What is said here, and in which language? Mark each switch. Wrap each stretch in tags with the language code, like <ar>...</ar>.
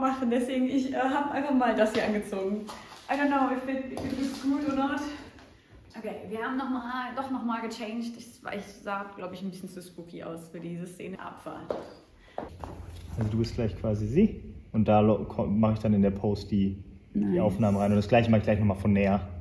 <de>Deswegen, ich habe einfach mal das hier angezogen.</de> <en>I don't know if it is cool or not.</en> <de>Okay, wir haben doch nochmal gechanged. Ich sah, glaube ich, ein bisschen zu spooky aus für diese Szene. Abfahren. Also du bist gleich quasi sie. Und da mache ich dann in der Post die Aufnahmen rein. Und das gleiche mache ich gleich nochmal von näher.</de>